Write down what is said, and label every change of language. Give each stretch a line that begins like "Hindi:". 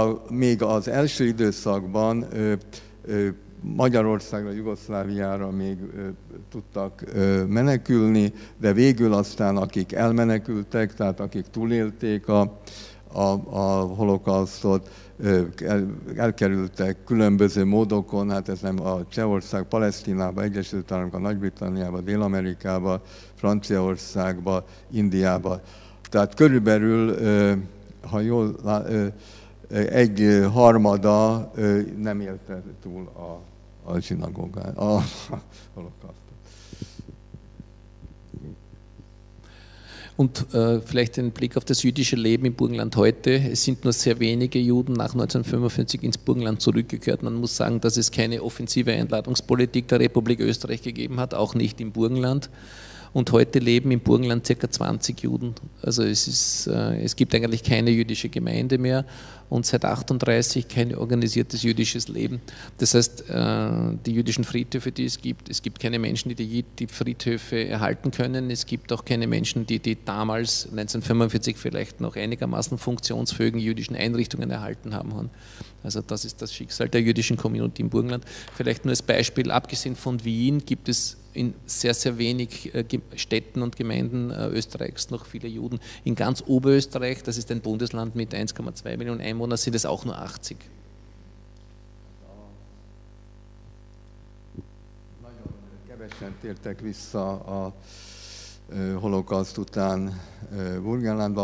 Hungarian: Még az első időszakban Magyarországra, Jugoszláviára még tudtak menekülni, de végül aztán akik elmenekültek, tehát akik túlélték a holokausztot, elkerültek különböző módokon, hát ez nem a Csehország, Palesztinába, Egyesült Államokba, Nagy-Britanniába, Dél-Amerikába, Franciaországba, Indiába. Tehát körülbelül, ha jól egy harmada nem élte túl a zsinagógán, a holokausztot.
German: Und vielleicht ein Blick auf das jüdische Leben im Burgenland heute. Es sind nur sehr wenige Juden nach 1945 ins Burgenland zurückgekehrt. Man muss sagen, dass es keine offensive Einladungspolitik der Republik Österreich gegeben hat, auch nicht im Burgenland. Und heute leben im Burgenland ca. 20 Juden. Also es gibt eigentlich keine jüdische Gemeinde mehr und seit 1938 kein organisiertes jüdisches Leben. Das heißt, die jüdischen Friedhöfe, die es gibt keine Menschen, die Friedhöfe erhalten können. Es gibt auch keine Menschen, die damals 1945 vielleicht noch einigermaßen funktionsfähigen jüdischen Einrichtungen erhalten haben. Also das ist das Schicksal der jüdischen Community im Burgenland. Vielleicht nur als Beispiel, abgesehen von Wien gibt es in sehr, sehr wenig Städten und Gemeinden Österreichs noch viele Juden. In ganz Oberösterreich, das ist ein Bundesland mit 1,2 Millionen Einwohnern, sind es auch nur 80.
Hungarian: Nagyon kevesen tértek vissza a holokauszt után Burgenlandba.